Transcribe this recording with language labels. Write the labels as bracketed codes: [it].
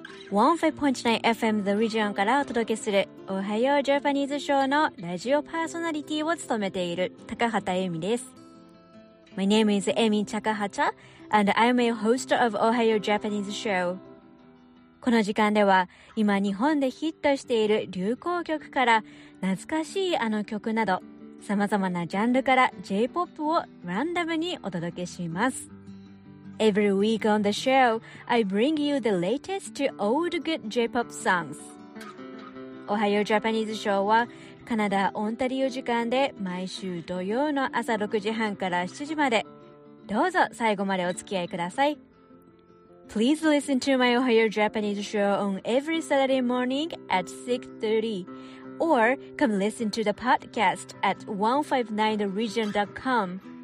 [ja] 15.9 FM The Region からお届けするおはようジャパニーズショーのラジオパーソナリティを務めている高畑恵美です。 [en] My name is Amy Takahata and I'm a host of おはよう Japanese Show。 [ja] この時間では今日本でヒットしている流行曲から懐かしいあの曲など、さまざまなジャンルから J-POP をランダムにお届けします。 [en] Every week on the show, I bring you the latest to old good J-pop songs. [ja] おはよう Japanese Show はカナダ・オンタリオ時間で毎週土曜の朝6時半から7時まで。どうぞ最後までお付き合いください。 [en] Please listen to my おはよう Japanese Show on every Saturday morning at 6:30 or come listen to the podcast at 159theregion.com.